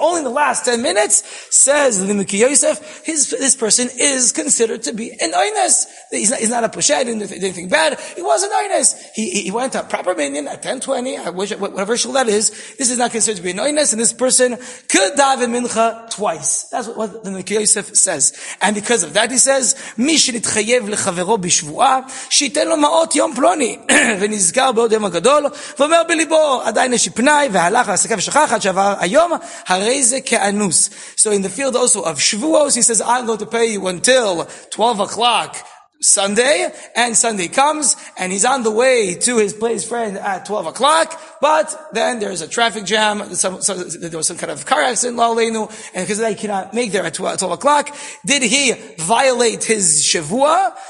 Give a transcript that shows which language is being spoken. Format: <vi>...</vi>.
<en>Only in the last 10 minutes, says the Miki Yosef, this person is considered to be an oynes. He's not a pushe. He didn't do anything bad. He was an oynes. He went to a proper minion at 10:20. Whatever shul that is. This is not considered to be an oynes, and this person could dive in mincha twice. That's what the Miki Yosef says.</en> <he>And because of that, he says, מי שנתחייב לחברו בשבועה שייתן לו מאות יום פלוני ונזכר בעוד יום הגדול ואומר בליבו עדיין יש פנאי והלך לעסקה ושכח עד שעבר היום הרי זה כאנוס.</he> <en>So in the field also of שבועות, he says I'm going to pay you until 12 o'clock Sunday, and Sunday comes, and he's on the way to his place friend at 12 o'clock, but then there's a traffic jam, there was some kind of car accident, la'aleinu, and because they cannot make there at 12 o'clock, did he violate his Shavua?</en>